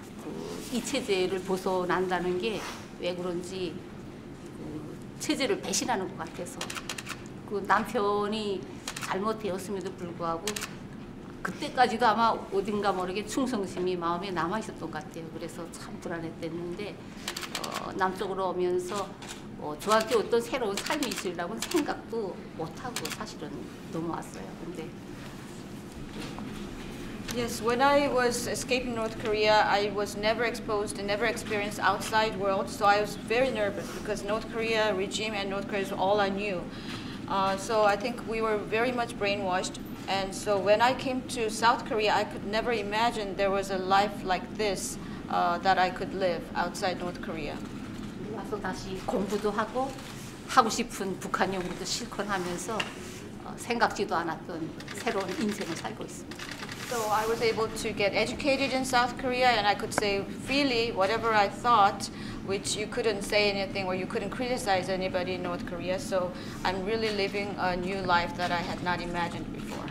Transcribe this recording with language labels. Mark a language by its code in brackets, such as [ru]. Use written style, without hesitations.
[ko] 그 이 체제를 벗어난다는 게 왜 그런지 그 체제를 배신하는 것 같아서 그 남편이 잘못되었음에도 불구하고 그때까지도 아마 어딘가 모르게 충성심이 마음에 남아 있었던 것 같아요. 그래서 참 불안했댔는데 남쪽으로 오면서 저한테 어떤 새로운 삶이 있으리라고는 생각도 못하고 사실은 넘어왔어요. 근데 [en] Yes, when I was escaping North Korea, I was never exposed and never experienced outside world, so I was very nervous because North Korea regime and North Korea is all I knew. So I think we were very much brainwashed. And so when I came to South Korea, I could never imagine there was a life like this that I could live outside North Korea. [ko] 와서 다시 공부도 하고 하고 싶은 북한 연구도 실컷 하면서 생각지도 않았던 새로운 인생을 살고 있습니다. [en] So I was able to get educated in South Korea, and I could say freely whatever I thought, which you couldn't say anything or you couldn't criticize anybody in North Korea. So I'm really living a new life that I had not imagined before.